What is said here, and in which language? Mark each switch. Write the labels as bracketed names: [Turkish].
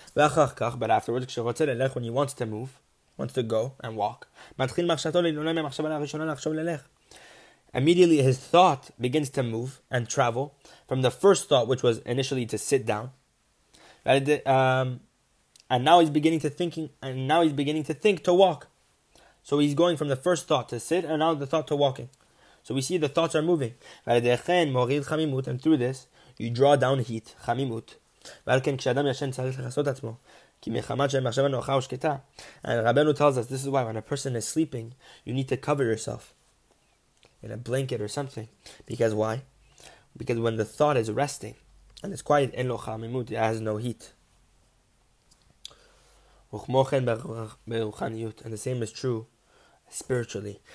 [English] But afterwards, when he wants to move, wants to go and walk, immediately his thought begins to move and travel from the first thought, which was initially to sit down. And now he's beginning to thinking, and now he's beginning to think to walk. So he's going from the first thought to sit, and now the thought to walking. So we see the thoughts are moving. And through this, you draw down heat, chamimut. [Hebrew] ועל כן כשאדם ישן צריך לחסות עצמו, כי מחמת שהם עכשיו הנוחה ושקטה. [English] And Rabbeinu tells us, this is why when a person is sleeping, you need to cover yourself in a blanket or something. Because why? Because when the thought is resting, and it's quiet, [Hebrew] אין לו חמימות, [English] it has no heat. [Hebrew] וכמו כן ברוחניות, [English] and the same is true spiritually.